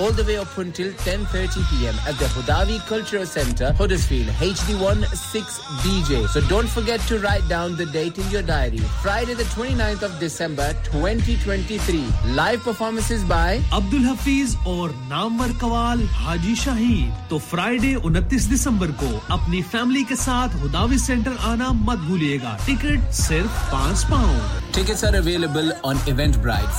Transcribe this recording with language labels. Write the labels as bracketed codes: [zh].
[en] all the way up until 10:30 p.m. at the Hudawi Cultural Centre, Huddersfield, HD1 6BJ. So don't forget to write down the date in your diary. Friday the 29th of December 2023. Live performances by Abdul Hafiz aur Namwar Qawwal Haji Shaheed. [hi] To Friday 29th December को अपनी family के साथ हुदावी centre आना मत भूलिएगा ticket सिर्फ £5 [en] Tickets are available on Eventbrite.